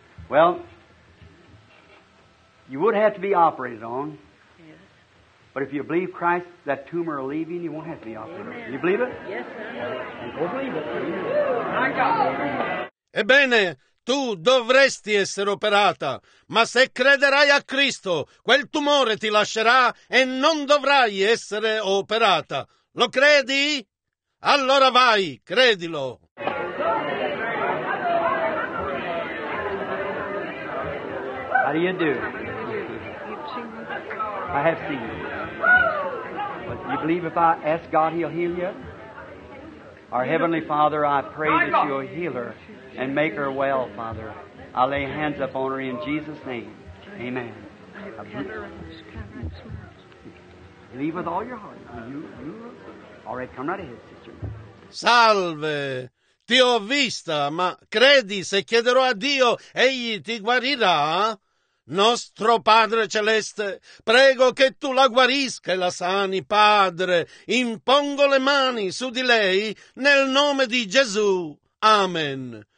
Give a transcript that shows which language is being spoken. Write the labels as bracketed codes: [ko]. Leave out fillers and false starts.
[en] Well, you would have to be operated on, yes. But if you believe Christ, that tumor will leave you and you won't have to be operated. Amen. You believe it? Yes, sir. You believe it. My God. [it] Ebbene, tu dovresti essere operata, ma se crederai a Cristo, quel tumore ti lascerà e non dovrai essere operata. Lo credi? Allora vai, credilo. [en] How do you do? I have seen you. You believe if I ask God, He'll heal you? Our Heavenly Father, I pray that you'll heal her. And make her well, Father. I lay hands up on her in Jesus' name. Amen. Believe with all your heart. You all right, come right ahead, sister. [it] Salve! Ti ho vista, ma credi se chiederò a Dio, egli ti guarirà? Nostro Padre Celeste, prego che tu la guarisca e la sani, Padre. Impongo le mani su di lei nel nome di Gesù. Amen.